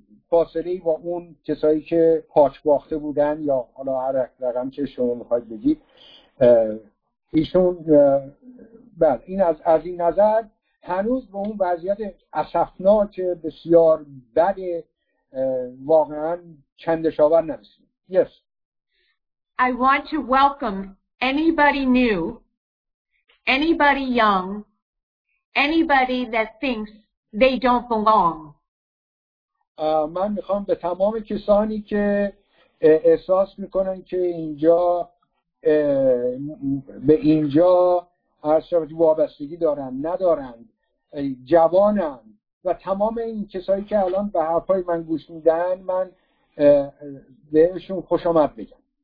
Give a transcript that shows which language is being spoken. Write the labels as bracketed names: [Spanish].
[Persian] فاصله با اون کسایی که پاچ باخته بودن یا حالا هر رقم که شما میخواید بگید ایشون بعد این از این نظر هنوز به اون وضعیت اسفناک بسیار بد واقعا چندشاور نرسیده. [English] Yes. I want to welcome anybody new, anybody young, anybody that thinks they don't belong. [Persian] من میخوام به تمام کسانی که احساس میکنن که اینجا به اینجا هر شبت وابستگی دارن، ندارن، جوانن و تمام این کسایی که الان به حرفای من گوش میدن، من بهشون خوش آمد بگم.